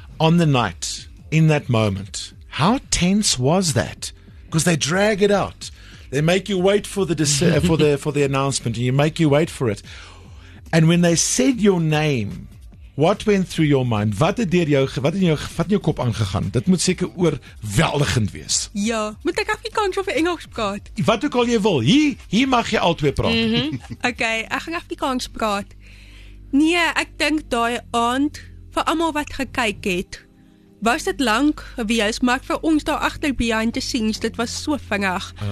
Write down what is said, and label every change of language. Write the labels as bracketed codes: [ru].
[en] On the night, in that moment, how tense was that? Because they drag it out. They make you wait for the for the announcement, and you make you wait for it. And when they said your name, what went through your mind? [af] Wat het deur jou, wat in jou kop aangegaan? Dit moet seker oorweldigend wees. Ja, moet ek Afrikaans of Engels praat? Wat ook al jy wil, hier mag jy al twee praat. Mm-hmm. Okay, ek gaan Afrikaans praat. Nee, ek dink daai aand vir almal wat gekyk het, was dit lank gewees, maar vir ons daar agter [en] behind the scenes, [af] dit was so vinnig.